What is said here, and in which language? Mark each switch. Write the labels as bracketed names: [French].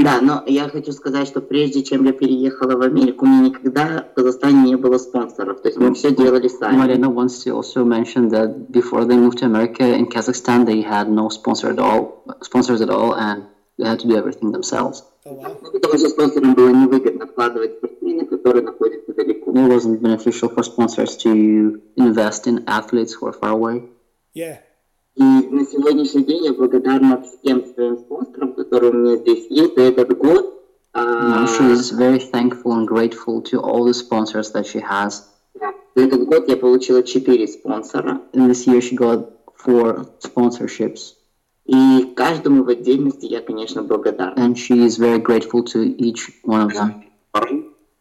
[Russian] Да, но я хочу сказать, что прежде чем я переехала в Америку, у меня никогда в Казахстане не было спонсоров. То есть мы все делали сами. [English] Марина wants to also mention that before they moved to America, in Kazakhstan, they had no sponsors at all, and they had to do everything themselves. [Russian] Потому что спонсорам было невыгодно вкладывать в спортсмены, которые находятся далеко. [English] It wasn't beneficial for sponsors to invest in athletes who are far away. Yeah. [Russian] И на сегодняшний день я благодарна всем своим спонсорам, которые у меня здесь есть за этот год. [English] She is very thankful and grateful to all the sponsors that she has. [Russian] За этот год я получила 4 спонсора. [English] In this year she got 4 sponsorships. [Russian] И каждому в отдельности я, конечно, благодарна. [English] And she is very grateful to each one of them.